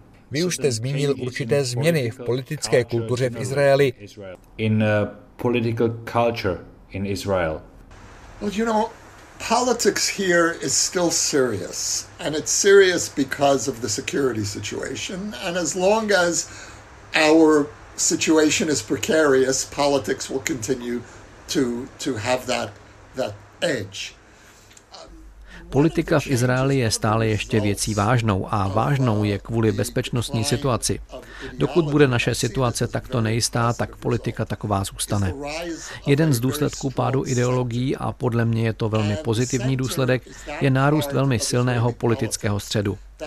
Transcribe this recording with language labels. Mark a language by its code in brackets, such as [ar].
[cs] Vy už jste zmínil určité změny v politické kultuře v Izraeli. [en] Political culture in Israel. Well, you know, politics here is still serious, and it's serious because of the security situation. And as long as our situation is precarious, politics will continue to have that edge. [cs] Politika v Izraeli je stále ještě věcí vážnou a vážnou je kvůli bezpečnostní situaci. Dokud bude naše situace takto nejistá, tak politika taková zůstane. Jeden z důsledků pádu ideologií, a podle mě je to velmi pozitivní důsledek, je nárůst velmi silného politického středu.